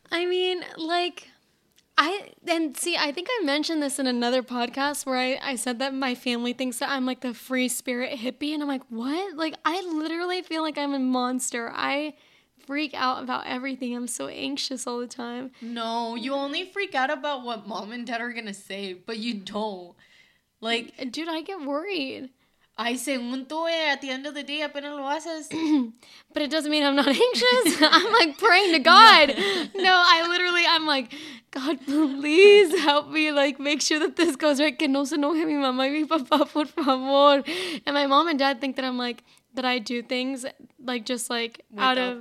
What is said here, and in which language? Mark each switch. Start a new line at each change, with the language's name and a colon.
English: I mean, like, I think I mentioned this in another podcast where I said that my family thinks that I'm like the free spirit hippie, and I'm like, what? Like, I literally feel like I'm a monster. I freak out about everything. I'm so anxious all the time. No, you only freak out about what mom and dad are gonna say, but you don't. Like, dude, I get worried. Ay,
Spanish: según tú,
English: at the end of the day,
Spanish: apenas lo haces.
English: But it doesn't mean I'm not anxious. I'm like praying to God. No, I literally, I'm like, God, please help me, like, make sure that this goes right.
Spanish: Que no se enoje mi mamá y mi papá, por favor.
English: And my mom and dad think that I'm like, that I do things, like, just like, without out of.